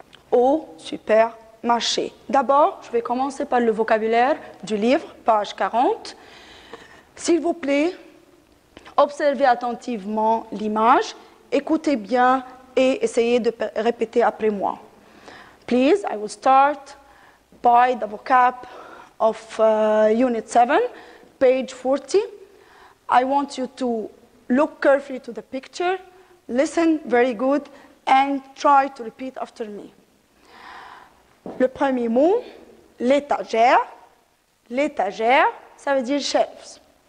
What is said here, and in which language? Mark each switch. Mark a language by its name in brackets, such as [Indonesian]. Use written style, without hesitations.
[French] Au supermarché. D'abord, je vais commencer par le vocabulaire du livre, page 40. S'il vous plaît, observez attentivement l'image, écoutez bien et essayez de répéter après moi. [English] Please, I will start by the vocab of unit 7, page 40. I want you to look carefully to the picture, listen very good, and try to repeat after me. [French] Le premier mot, l'étagère. L'étagère, ça veut dire shelves.